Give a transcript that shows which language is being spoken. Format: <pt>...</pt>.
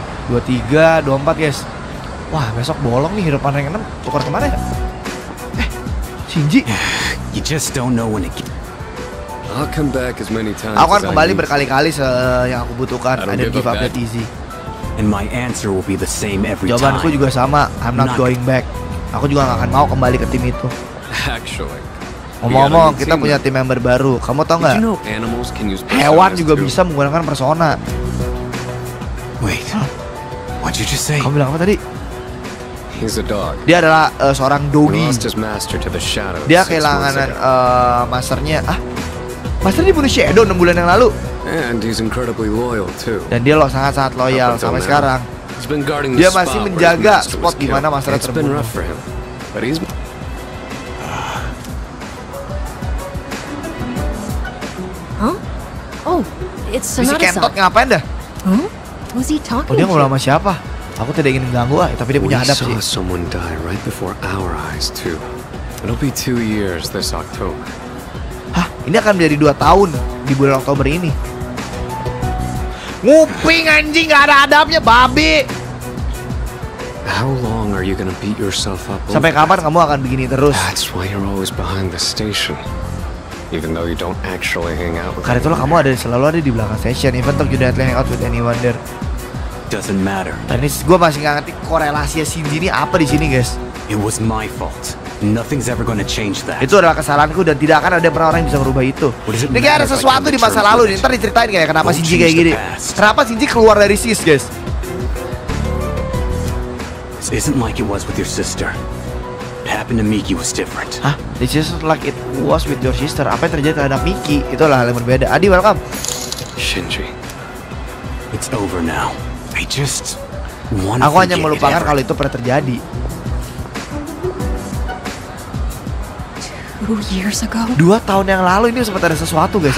<en>23, 24 guys.</en> <id>Wah besok bolong nih hidupan yang 6. Tukar kemana ya? Shinji.</id> <en>You just don't know when it. I'll come back as many times.</en> <id>Aku akan kembali berkali-kali yang aku butuhkan.</id> <en>Ada give up that easy. And my answer will be the same every time.</en> <id>Jawabanku juga sama.</id> <en>I'm not going back.</en> <id>Aku juga gak akan mau kembali ke tim itu.</id> <en>Actually,</en> <id>ngomong-ngomong, kita punya tim member baru. Kamu tau gak? Hewan juga bisa menggunakan persona.</id> <en>Wait, what you just say?</en> <id>Kamu bilang apa tadi?</id> <en>He's a dog.</en> <id>Dia adalah seorang doggy.</id> <en>He lost his master to the shadows.</en> <id>Dia kehilangan masternya. Ah, master dibunuh Shadow 6 bulan yang lalu.</id> <en>And he's incredibly loyal too.</en> <id>Dan dia loh sangat-sangat loyal sampai sekarang. Dia masih menjaga spot di mana masalah terbunuh.</id> <en>Huh? Oh, it's Sonata-san.</en> <id>Si Kentot ngapain dah?</id> <en>Huh? Was he talking?</en> <id>Oh, dia ngobrol sama siapa? Aku tidak ingin mengganggu, tapi dia punya adab sih.</id> <en>We saw someone die right before our eyes too. It'll be 2 years this October. Hah?</en> <id>Ini akan menjadi 2 tahun di bulan Oktober ini. Nguping anjing, gak ada adabnya, babi.</id> <en>How long are you gonna beat yourself up?</en> <id>Sampai kapan kamu akan begini terus?</id> <en>That's why you're always behind the station. Even though you don't actually hang out with.</en> <id>Karena itulah kamu ada selalu ada di belakang station.</id> <en>Even though you don't hang out with anyone there. Doesn't matter.</en> <id>Dan ini gue masih nggak ngerti korelasinya Shinji ini apa di sini, guys.</id> <en>It was my fault. Nothing's ever gonna change that.</en> <id>Itu adalah kesalahanku dan tidak akan ada orang yang bisa merubah itu. Ini kayak ada sesuatu di masa lalu nih. Ntar diceritain kayak kenapa Shinji kayak gini. Kenapa Shinji keluar dari SIS, guys?</id> <en>This isn't like it was with your sister. What happened to Miki was different. Hah? This is like it was with your sister.</en> <id>Apa yang terjadi terhadap Miki? Itu adalah hal yang berbeda.</id> <en>Adi, welcome. Shinji, it's over now. I just want.</en> <id>Aku hanya melupakan kalau itu pernah terjadi. 2 tahun yang lalu ini sempat ada sesuatu, guys.</id>